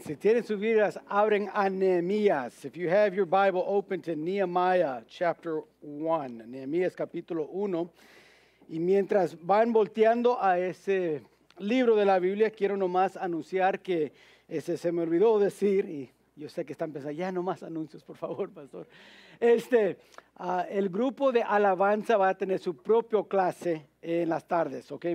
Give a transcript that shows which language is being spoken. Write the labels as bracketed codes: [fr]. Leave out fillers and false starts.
[es] Si tienen sus Biblias, abren a Nehemías. [en] If you have your Bible, open to Nehemiah chapter 1. [es] Nehemías capítulo 1. Y mientras van volteando a ese libro de la Biblia, quiero nomás anunciar que ese se me olvidó decir, y yo sé que están pensando, ya nomás anuncios, por favor, pastor. El grupo de alabanza va a tener su propio clase en las tardes, ¿ok?